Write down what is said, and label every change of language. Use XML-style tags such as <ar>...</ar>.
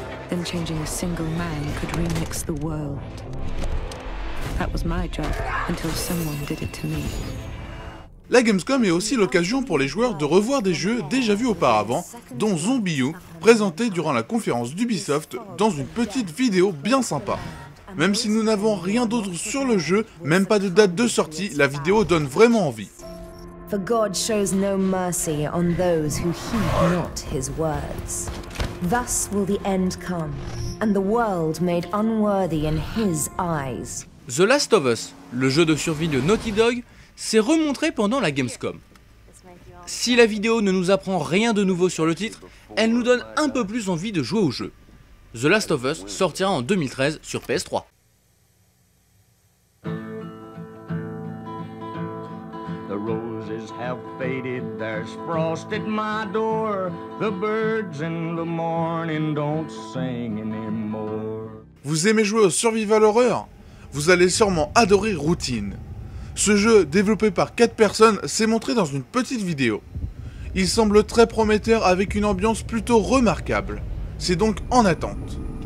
<en>Then changing a single man could remix the world. That was my job until someone did it to me.</en> <fr>La Gamescom est aussi l'occasion pour les joueurs de revoir des jeux déjà vus auparavant, dont Zombie U, présenté durant la conférence d'Ubisoft dans une petite vidéo bien sympa. Même si nous n'avons rien d'autre sur le jeu, même pas de date de sortie, la vidéo donne vraiment envie.</fr> <en>For God shows no mercy on those who heed not his words. Thus will the end come, and the world made unworthy in his eyes.</en> <fr>The Last of Us, le jeu de survie de Naughty Dog, s'est remontré pendant la Gamescom. Si la vidéo ne nous apprend rien de nouveau sur le titre, elle nous donne un peu plus envie de jouer au jeu. The Last of Us sortira en 2013 sur PS3.</fr> <en>The roses have faded, there's frost at my door. The birds in the morning don't sing anymore.</en> <fr>Vous aimez jouer au survival horror ? Vous allez sûrement adorer Routine. Ce jeu, développé par 4 personnes, s'est montré dans une petite vidéo. Il semble très prometteur avec une ambiance plutôt remarquable. C'est donc en attente.</fr>